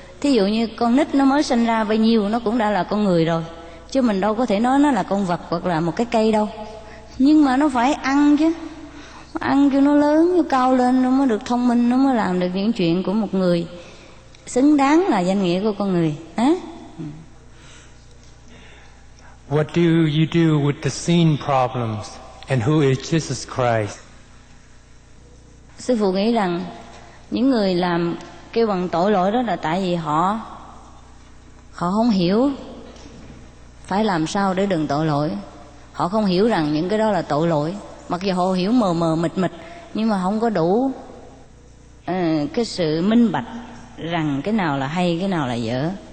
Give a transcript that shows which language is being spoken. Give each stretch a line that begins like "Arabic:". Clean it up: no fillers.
Vietnamese: Thí dụ như con nít nó mới sinh ra bao nhiêu nó cũng đã là con người rồi, chứ mình đâu có thể nói nó là con vật hoặc là một cái cây đâu. Nhưng mà nó phải ăn chứ, ăn cho nó lớn, cho cao lên, nó mới được thông minh, nó mới làm được những chuyện của một người, xứng đáng là danh nghĩa của con người. Hả?
English: What do you do with the sin problems, and who is Jesus Christ?
Vietnamese: Sư phụ nghĩ rằng những người làm kêu bằng tội lỗi đó là tại vì họ không hiểu phải làm sao để đừng tội lỗi. Họ không hiểu rằng những cái đó là tội lỗi. Mặc dù họ hiểu mờ mờ mịt mịt, nhưng mà không có đủ cái sự minh bạch rằng cái nào là hay, cái nào là dở.